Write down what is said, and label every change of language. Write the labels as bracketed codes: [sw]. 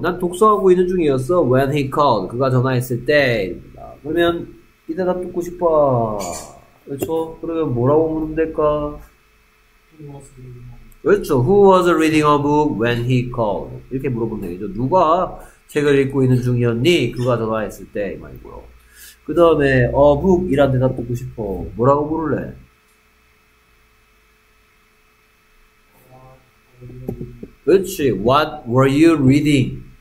[ko] 난 독서하고 있는 중이었어. [en] When he called. [ko] 그가 전화했을 때. 그러면, 이 대답 듣고 싶어. 그렇죠? 그러면 뭐라고 물으면 될까? 그렇죠. [en] Who was reading a book when he called? [ko] 이렇게 물어보면 되겠죠. 누가 책을 읽고 있는 중이었니? 그가 전화했을 때. 이 말이고요. 그 다음에, [en] a book [ko] 이란 대답 듣고 싶어. 뭐라고 물을래? 그렇지. [en] What were you reading?